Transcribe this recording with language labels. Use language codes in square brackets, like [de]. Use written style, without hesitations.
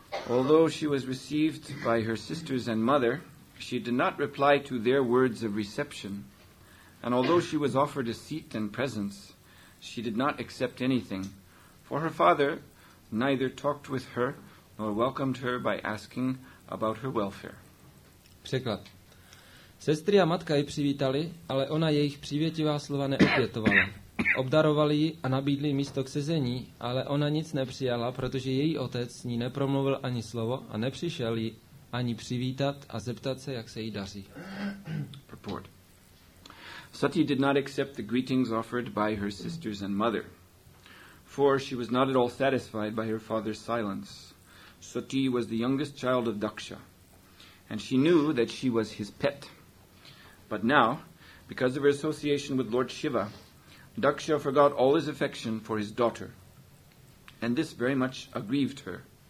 [en] Although she was received by her sisters and mother, she did not reply to their words of reception. And although she was offered a seat and presents, she did not accept anything. For her father neither talked with her nor welcomed her by asking about her welfare. [cs] Překlad. Sestry a matka ji přivítali, ale ona jejich přívětivá slova neopětovala. Obdarovali ji a nabídli místo k sezení, ale ona nic nepřijala, protože její otec ní nepromluvil ani slovo a nepřišel ji ani přivítat a zeptat se, jak se jí daří. [en] Purport. Sati did not accept the greetings offered by her sisters and mother, for she was not at all satisfied by her father's silence. Sati was the youngest child of Daksha, and she knew that she was his pet. But now, because of her association with Lord Shiva, Daksha forgot all his affection for his daughter, and this very much aggrieved her.